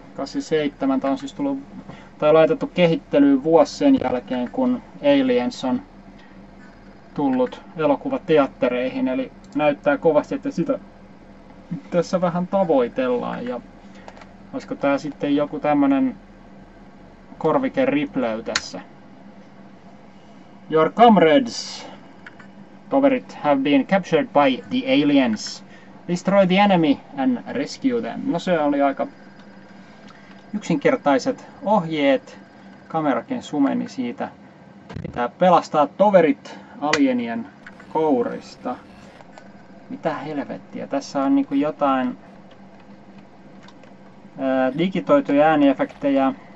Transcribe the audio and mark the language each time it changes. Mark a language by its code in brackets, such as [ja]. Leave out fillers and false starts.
[fi] 87, tämä on siis tullut, tai laitettu kehittelyyn vuosi sen jälkeen, kun Aliens on tullut elokuvateattereihin. Eli näyttää kovasti, että sitä tässä vähän tavoitellaan. Ja olisiko tämä sitten joku tämmöinen korvikeripleu tässä? [en] Your comrades, toverit, have been captured by the aliens. Destroy the enemy and rescue them. [fi] No se oli aika yksinkertaiset ohjeet. Kamerakin sumeni siitä. Pitää pelastaa toverit alienien kourista. Mitä helvettiä? Tässä on niinku jotain digitoituja ääniefektejä.